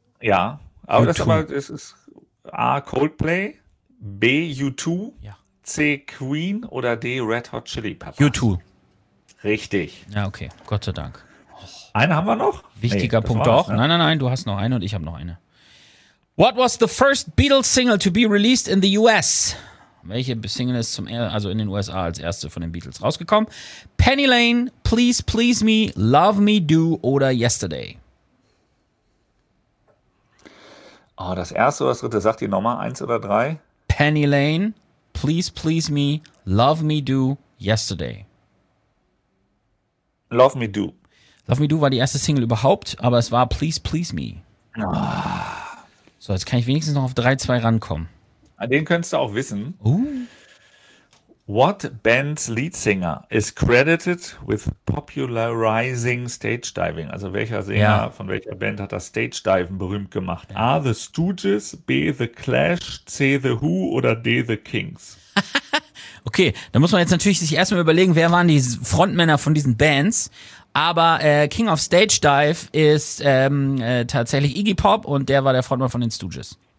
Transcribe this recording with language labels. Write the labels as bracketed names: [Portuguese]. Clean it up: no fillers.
[German] A, ja. Aber U2. Das ist, mal, ist A. Coldplay. B. U2. Ja. C. Queen oder D. Red Hot Chili Peppers? U2. Richtig. Ja, okay. Gott sei Dank. Eine haben wir noch? Wichtiger Punkt doch. Ne? Nein, du hast noch eine und ich habe noch eine. [English] What was the first Beatles single to be released in the US? [German] Welche Single ist also in den USA als erste von den Beatles rausgekommen? Penny Lane, Please Please Me, Love Me Do oder Yesterday? Oh, das erste oder das dritte, sagt die Nummer, eins oder drei? Penny Lane. Please, please me, love me do, yesterday. Love me do. Love me do war die erste Single überhaupt, aber es war Please, please me. Oh. So, jetzt kann ich wenigstens noch auf 3-2 rankommen. Den könntest du auch wissen. Ooh. [English] What band's lead singer is credited with popularizing stage diving? [German] Also welcher Sänger von welcher Band hat das Stage Diven berühmt gemacht? Ja. A. The Stooges, B. The Clash, C. The Who oder D. The Kings? Okay, da muss man jetzt natürlich sich erstmal überlegen, wer waren die Frontmänner von diesen Bands. Aber King of Stage Dive ist tatsächlich Iggy Pop und der war der Frontmann von den Stooges.